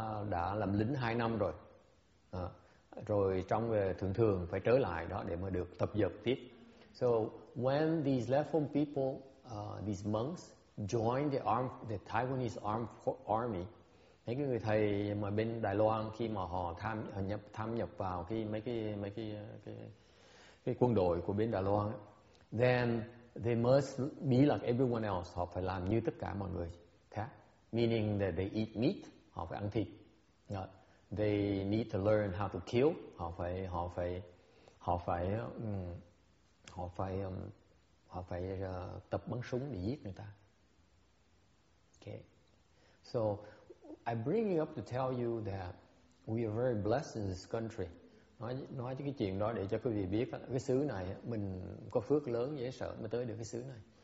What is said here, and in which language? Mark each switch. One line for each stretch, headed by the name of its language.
Vietnamese: Đã làm lính 2 năm rồi, rồi trong thường thường phải trở lại đó để mà được tập dượt tiếp.
English: So when these left-home people, these monks join the Taiwanese armed army.
Vietnamese: Mấy cái người thầy mà bên Đài Loan khi mà họ tham nhập vào cái quân đội của bên Đài Loan,
English: then they must be like everyone else.
Vietnamese: Họ phải làm như tất cả mọi người khác.
English: Meaning that they eat meat,
Vietnamese: họ phải ăn thịt.
English: They need to learn how to kill.
Vietnamese: Họ phải họ phải họ phải họ phải họ phải tập bắn súng để giết người ta.
English: Okay. So I bring you up to tell you that we are very blessed in this country.
Vietnamese: Nói cái chuyện đó để cho quý vị biết cái xứ này mình có phước lớn dễ sợ mới tới được cái xứ này.